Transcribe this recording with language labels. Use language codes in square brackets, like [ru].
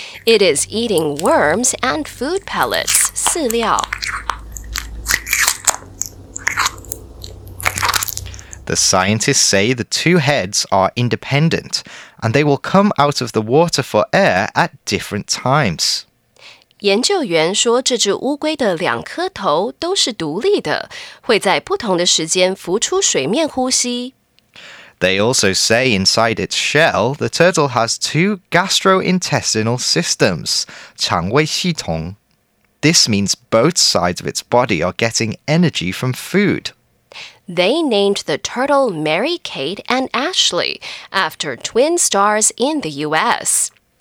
[en] It is eating worms and food pellets, 饲料. The scientists say the two heads are independent, and they will come out of the water for air at different times. [zh] 研究员说这只乌龟的两颗头都是独立的，会在不同的时间浮出水面呼吸。 [en] They also say inside its shell, the turtle has two gastrointestinal systems, 肠胃系统。 This means both sides of its body are getting energy from food. They named the turtle Mary Kate and Ashley after twin stars in the U.S.